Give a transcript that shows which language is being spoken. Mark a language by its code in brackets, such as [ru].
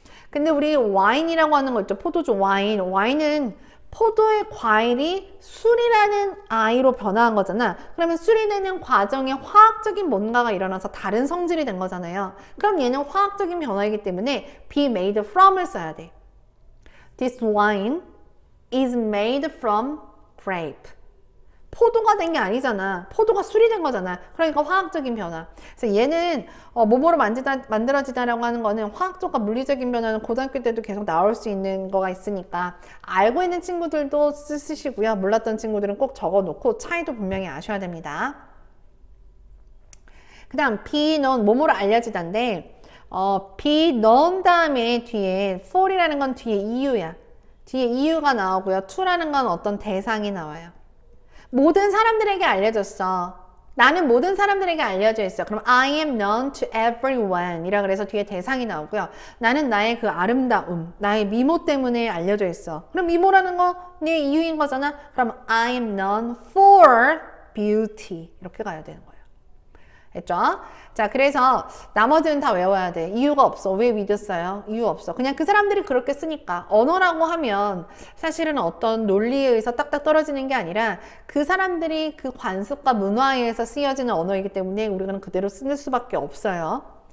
[ko] 근데 우리 와인이라고 하는 거 있죠? 포도주 와인. 와인은 포도의 과일이 술이라는 아이로 변화한 거잖아. 그러면 술이 되는 과정에 화학적인 뭔가가 일어나서 다른 성질이 된 거잖아요. 그럼 얘는 화학적인 변화이기 때문에 [en] be made from [ko] 을 써야 돼. [en] This wine is made from grape. [ko] 포도가 된게 아니잖아. 포도가 술이 된 거잖아. 그러니까 화학적인 변화. 그래서 얘는 몸으로 만들어지다라고 하는 거는 화학적과 물리적인 변화는 고등학교 때도 계속 나올 수 있는 거가 있으니까 알고 있는 친구들도 쓰시고요. 몰랐던 친구들은 꼭 적어놓고 차이도 분명히 아셔야 됩니다. 그다음 [en] be known [ko] 몸으로 알려지단데 be known 다음에 뒤에 for이라는 건 뒤에 이유야. 뒤에 이유가 나오고요. to라는 건 어떤 대상이 나와요. 모든 사람들에게 알려졌어. 나는 모든 사람들에게 알려져 있어. [en] 그럼 I am known to everyone. [ko] 이라 그래서 뒤에 대상이 나오고요. 나는 나의 그 아름다움, 나의 미모 때문에 알려져 있어. 그럼 미모라는 거내 이유인 거잖아. [en] 그럼 I am known for beauty. [ko] 이렇게 가야 되는 거예요. 했죠? 자, 그래서 나머지는 다 외워야 돼. 이유가 없어. 왜 믿었어요? 이유 없어. 그냥 그 사람들이 그렇게 쓰니까. 언어라고 하면 사실은 어떤 논리에 의해서 딱딱 떨어지는 게 아니라 그 사람들이 그 관습과 문화에 의해서 쓰여지는 언어이기 때문에 우리는 그대로 쓰는 수밖에 없어요.